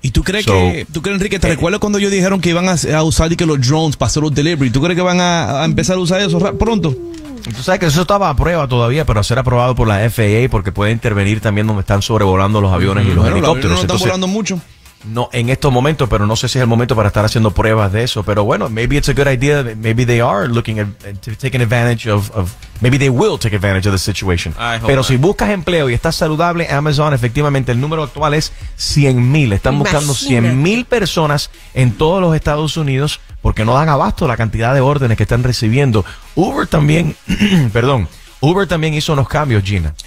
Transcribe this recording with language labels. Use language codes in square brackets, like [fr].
[es] ¿Y tú crees Enrique, te recuerdas cuando ellos dijeron que iban a usar y que los drones para hacer los delivery? ¿Tú crees que van a empezar a usar eso pronto? Tú sabes que eso estaba a prueba todavía, pero a ser aprobado por la FAA, porque puede intervenir también donde están sobrevolando los aviones y los helicópteros. No, están volando mucho. No, en estos momentos, pero no sé si es el momento para estar haciendo pruebas de eso. Pero bueno, [en] maybe it's a good idea. Maybe they are looking at taking advantage of. Maybe they will take advantage of the situation. [es] Pero si buscas empleo y estás saludable, Amazon, efectivamente, el número actual es 100,000. Están buscando 100,000 personas en todos los Estados Unidos porque no dan abasto la cantidad de órdenes que están recibiendo. Uber también, perdón. Uber también hizo unos cambios, Gina.